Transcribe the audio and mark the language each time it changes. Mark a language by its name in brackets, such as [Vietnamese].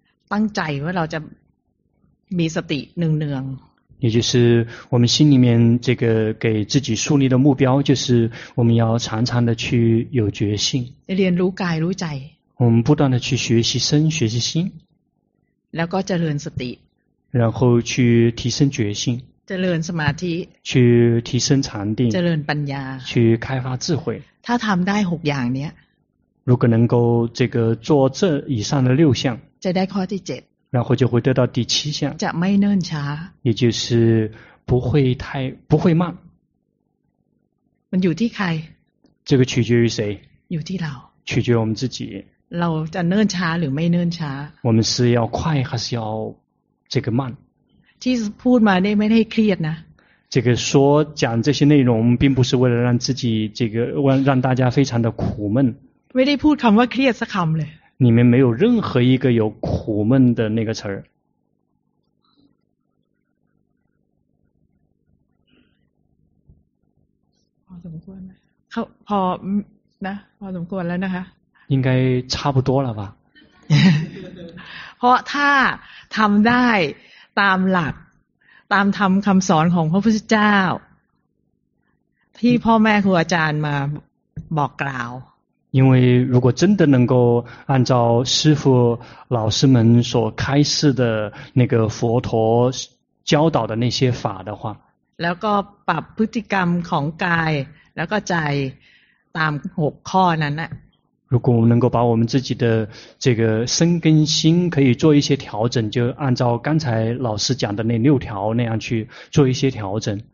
[Thai] ตั้งใจว่าเราจะมีสติเนืองเนือง。 [Chinese] 也就是我们心里面这个给自己树立的目标，就是我们要常常的去有决心。 [Thai] เรียนรู้กายรู้ใจ。 [Chinese] 我们不断的去学习身，学习心。 [Thai] แล้วก็เจริญสติ。 [Chinese] 然后去提升决心。 [Thai] เจริญสมาธิ [Chinese] 去提升禅定 [Thai] เจริญปัญญา [Chinese] 去开发智慧 [Thai] ถ้าทำได้6อย่างเนี้ย [Chinese] 如果能够这个做这以上的6项 [Thai] จะได้ข้อที่7 [Chinese] 然后就会得到第7项 [Thai] จะไม่เนิ่นช้า [Chinese] 也就是不会慢 [Thai] มันอยู่ที่ใคร [Chinese] 这个取决于谁 [Thai] อยู่ที่เรา [Chinese] 取决于我们自己 [Thai] เราจะเนิ่นช้าหรือไม่เนิ่นช้า [Chinese] 我们是要快还是要这个慢 [Thai] ที่พูดมาเนี่ยไม่ได้เครียดนะ [Chinese] 这个说讲这些内容并不是为了让自己这个让大家非常的苦闷 [Thai] ไม่ได้พูดคำว่าเครียดสักคำเลย [Chinese] 里面没有任何一个有苦闷的那个词儿 [Thai] พอสมควรเขาพอนะพอสมควรแล้วนะคะ [Chinese] 应该差不多了吧 [Thai] เพราะถ้าทำได้ตามหลักตามธรรมคำสอนของพระพุทธเจ้าที่พ่อแม่ครูอาจารย์มาบอกกล่าว [Chinese] 因为如果真的能够按照师父老师们所开示的那个佛陀教导的那些法的话 [Thai] แล้วก็ปรับพฤติกรรมของกายแล้วก็ใจตาม6ข้อนั้นน่ะ [Chinese] 如果我们能够把我们自己的这个身跟心可以做一些调整，就按照刚才老师讲的那六条那样去做一些调整，